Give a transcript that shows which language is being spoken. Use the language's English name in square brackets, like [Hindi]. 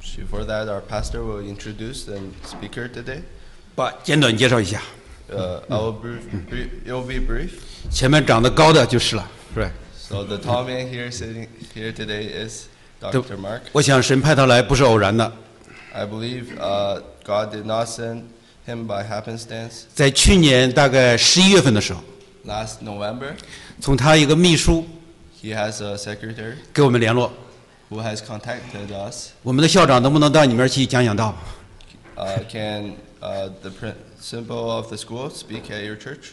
[English] Before that, our pastor will introduce the speaker today. [Chinese] 不，简短介绍一下。 [English] It'll be brief. [Chinese] 前面长得高的就是了，是吧？ [English] So the tall man here sitting here today is Dr. Mark. [Chinese] 我想神派他来不是偶然的。 [English] I believe God did not send him by happenstance. [Chinese] 在去年大概11月份的时候。 [English] Last November. [Chinese] 从他一个秘书。 [English] He has a secretary. [Chinese] 给我们联络。 [English] Who has contacted us? [Chinese] 我们的校长能不能到你们那儿去讲讲道？ [English] Can the principal of the school speak at your church?